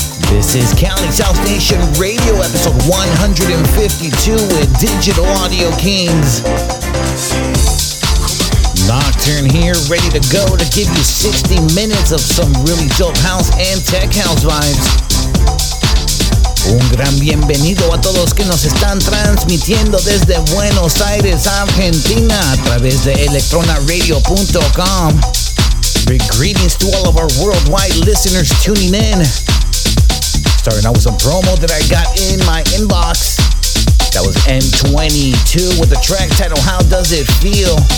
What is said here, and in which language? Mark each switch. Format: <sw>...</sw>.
<en>This is Cali's House Nation Radio, episode 152 with Digital Audio Kings. Nocturne here, ready to go to give you 60 minutes of some really dope house and tech house vibes.</en> <es>Un gran bienvenido a todos que nos están transmitiendo desde Buenos Aires, Argentina, a través de electronaradio.com.</es> <en>Big greetings to all of our worldwide listeners tuning in. Starting out with some promo that I got in my inbox. That was M22 with the track title How Does It Feel.</en>